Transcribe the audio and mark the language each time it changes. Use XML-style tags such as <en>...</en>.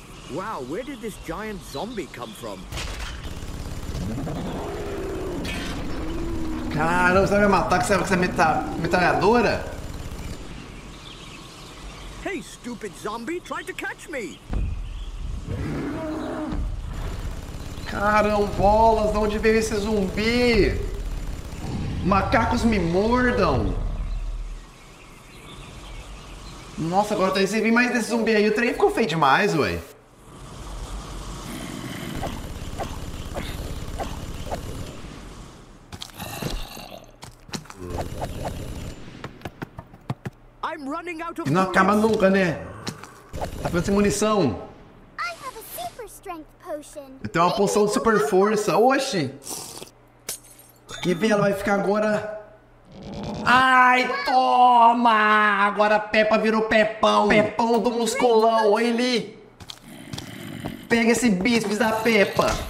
<en>Wow, where did this giant zombie come from?</en> <pt>Caramba, você vai me matar com essa metralhadora?</pt> <en>Hey, stupid zombie, try to catch me.</en> <pt>Caramba, bolas, de onde veio esse zumbi? Macacos me mordam. Nossa, agora tá recebendo mais desse zumbi aí. O trem ficou feio demais, ué.</pt> <en>I'm running out of.</en> <pt>Não acaba nunca, né? Tá ficando sem munição.</pt> <en>I have a super strength potion.</en> <pt>Eu tenho uma poção de super força. Oxi. Que bem, ela vai ficar agora. Ai, toma! Agora a Peppa virou Pepão. Pepão do musculão, hein, Lee? Pega esse bíceps da Peppa.</pt>